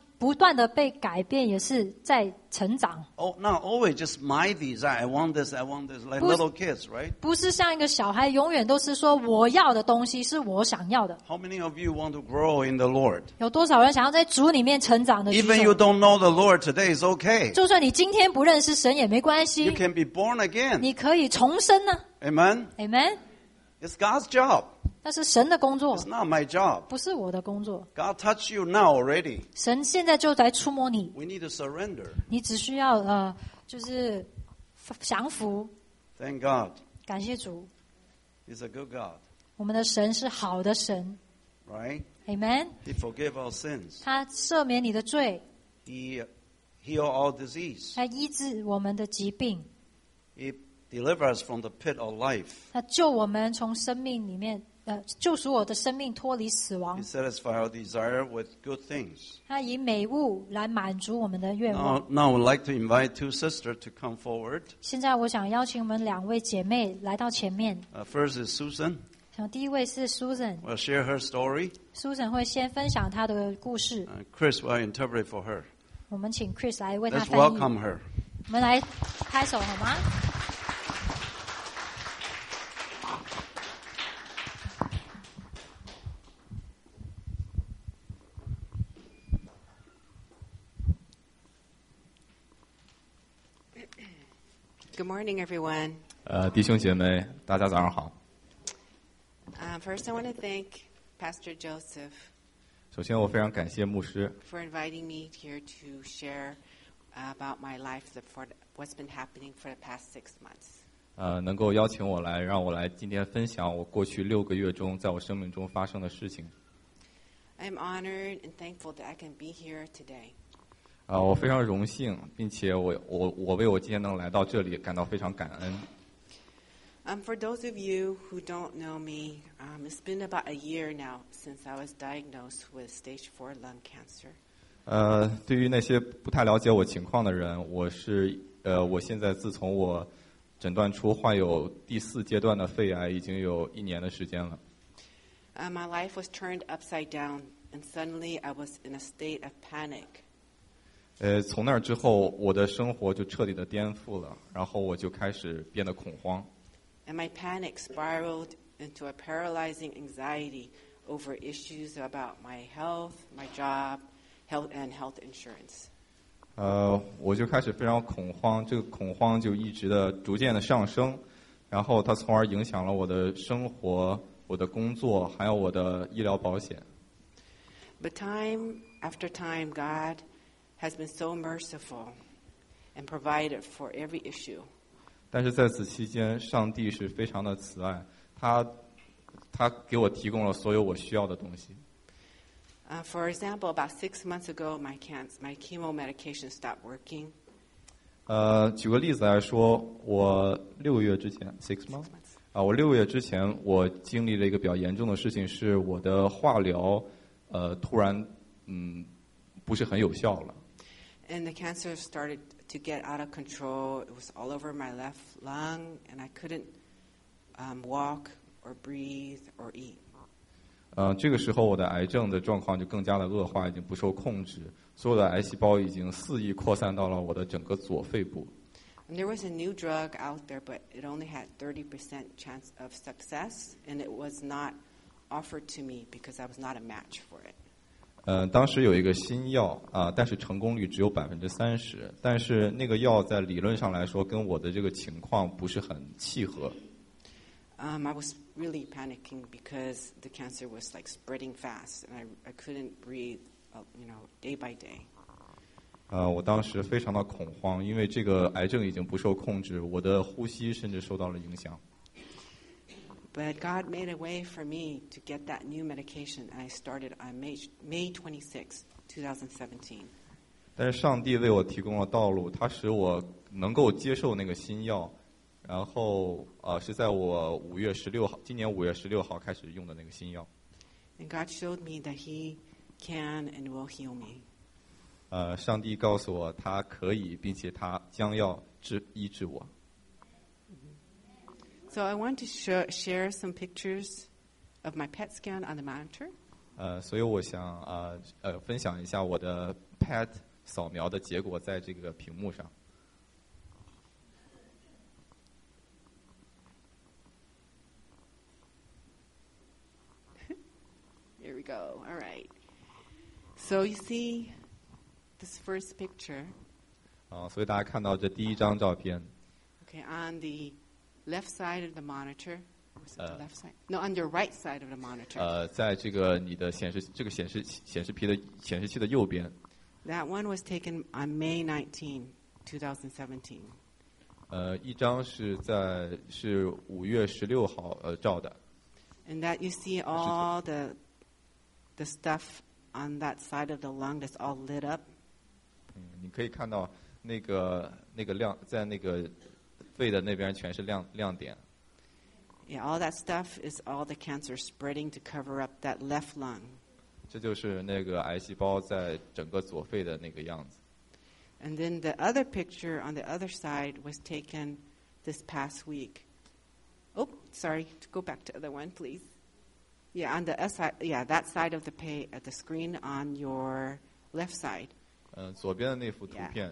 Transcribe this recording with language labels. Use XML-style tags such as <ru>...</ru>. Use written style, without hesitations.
<zh>你的期望，你的渴望应该要不断的被改变，也是在成长。</zh> <en>Oh, not always just my desire. I want this, like little kids, right?</en> <zh>不是像一个小孩永远都是说我要的东西是我想要的。</zh> <en>How many of you want to grow in the Lord?</en> <zh>有多少人想要在主里面成长的？</zh> <en>Even you don't know the Lord today, it's okay.</en> <zh>就算你今天不认识神也没关系。</zh> <en>You can be born again.</en> <zh>你可以重生呢。</zh> <en>Amen. Amen. It's God's job.</en> <zh>那是神的工作。</zh> <en>It's not my job.</en> <zh>不是我的工作。</zh> <en>God touch you now already.</en> <zh>神现在就在触摸你。</zh> <en>We need to surrender.</en> <zh>你只需要, 就是降服。</zh> <en>Thank God.</en> <zh>感谢主。</zh> <en>He's a good God.</en> <zh>我们的神是好的神。</zh> <en>Right? Amen. He forgave our sins.</en> <zh>他赦免你的罪。</zh> <en>He healed our disease.</en> <zh>他医治我们的疾病。</zh> <en>He delivered us from the pit of life.</en> <zh>他救我们从生命里面。救赎我的生命脱离死亡。</zh> <en>He satisfies our desire with good things.</en> <zh>他以美物来满足我们的愿望。</zh> <en>Now I'd like to invite two sisters to come forward.</en> <zh>现在我想邀请我们两位姐妹来到前面。</zh> <en>First is Susan.</en> <zh>第一位是Susan。</zh> <en>We'll share her story.</en> <zh>Susan会先分享她的故事。</zh> <en>Chris will interpret for her.</en> <zh>我们请Chris来为她翻译。</zh> <en>Let's welcome her.</en> <zh>我们来拍手好吗？</zh> <en>Good morning, everyone.</en> <zh>弟兄姐妹, 大家早上好。</zh> <en>First, I want to thank Pastor Joseph.</en> <zh>首先我非常感谢牧师。</zh> <en>For inviting me here to share about my life, for what's been happening for the past 6 months.</en> <zh>能够邀请我来, 让我来今天分享我过去6个月中在我生命中发生的事情。</zh> <en>I'm honored and thankful that I can be here today.</en> <zh>我非常荣幸, 并且我为我今天能来到这里感到非常感恩。</zh> <en>For those of you who don't know me, it's been about a year now since I was diagnosed with stage 4 lung cancer.</en> <zh>对于那些不太了解我情况的人, 我是, 我现在自从我诊断出患有第四阶段的肺癌, 已经有1年的时间了。</zh> <en>My life was turned upside down, and suddenly I was in a state of panic.</en> <zh>从那儿之后, 我的生活就彻底的颠覆了, 然后我就开始变得恐慌。</zh> <en>And my panic spiraled into a paralyzing anxiety over issues about my health, my job, health and health insurance.</en> <zh>我就开始非常恐慌, 这个恐慌就一直的逐渐的上升, 然后它从而影响了我的生活, 我的工作, 还有我的医疗保险。</zh> <en>But time after time, God has been so merciful and provided for every issue.</en> <zh>但是在此期间, 上帝是非常的慈爱, 他给我提供了所有我需要的东西。</zh> <en>For example, about 6 months ago, my chemo medication stopped working.</en> <zh>举个例子来说, 我6个月之前,</zh> <en>6 months?</en> <zh>我6个月之前, 我经历了一个比较严重的事情, 是我的化疗, 突然, 不是很有效了。</zh> <en>And the cancer started to get out of control. It was all over my left lung, and I couldn't walk or breathe or eat.</en> <zh>这个时候我的癌症的状况就更加的恶化, 已经不受控制, 所有的癌细胞已经肆意扩散到了我的整个左肺部。</zh> <en>And there was a new drug out there, but it only had 30% chance of success, and it was not offered to me because I was not a match for it.</en> <zh>当时有一个新药, 但是成功率只有 30%, 但是那个药在理论上来说跟我的这个情况不是很契合。</zh> <en>I was really panicking because the cancer was like spreading fast and I couldn't breathe, you know, day by day.</en> <zh>我当时非常的恐慌，因为这个癌症已经不受控制，我的呼吸甚至受到了影响。</zh> <en>But God made a way for me to get that new medication. I started on May 26, 2017.</en> <zh>但是上帝为我提供了道路，他使我能够接受那个新药，然后是在我5月16号，今年5月16号开始用的那个新药。</zh> <en>And God showed me that He can and will heal me.</en> <zh>上帝告诉我他可以，并且他将要医治我。</zh> <en>So I want to share some pictures of my PET scan on the monitor.</en> <zh>所以我想分享一下我的 PET 扫描的结果在这个屏幕上。</zh> <en>Here we go. All right. So you see this first picture.</en> <zh>所以大家看到这第一张照片。</zh> <en>Okay, on the left side of the monitor. Was it the left side? No, on your right side of the monitor.</en> <zh>在这个你的显示器的右边。</zh> <en>That one was taken on May 19, 2017.</en> <zh>一张是在是五月十六号照的。</zh> <en>And that you see all the stuff on that side of the lung that's all lit up.</en> <zh>你可以看到那个亮在那个肺的那边全是亮点。</zh> <en>Yeah, all that stuff is all the cancer spreading to cover up that left lung.</en> <zh>这就是那个癌细胞在整个左肺的那个样子。</zh> <en>And then the other picture on the other side was taken this past week. Oh, sorry, to go back to the other one, please. Yeah, on the side, yeah, that side of the page at the screen on your left side.</en> <zh>左边的那幅图片。</zh>